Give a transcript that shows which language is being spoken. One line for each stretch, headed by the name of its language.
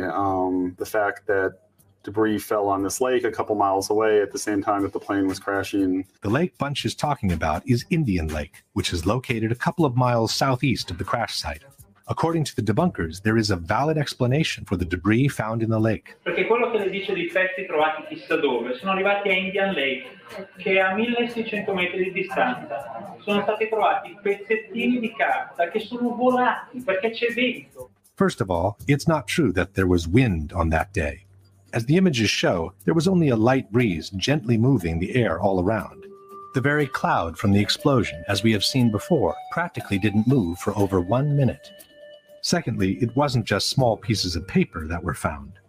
English: The fact that debris fell on this lake a couple miles away at the same time that the plane was crashing. The lake Bunch is talking about is Indian Lake, which is located a couple of miles southeast of the crash site. According to the debunkers, there is a valid explanation for the debris found in the lake.
Italian: Perché quello che dice dei pezzi trovati chissà dove sono arrivati a Indian Lake, che è a 1600 metri di distanza. Sono stati trovati pezzettini di carta che sono volati perché c'è vento.
English: First of all, it's not true that there was wind on that day. As the images show, there was only a light breeze gently moving the air all around. The very cloud from the explosion, as we have seen before, practically didn't move for over 1 minute. Secondly, it wasn't just small pieces of paper that were found.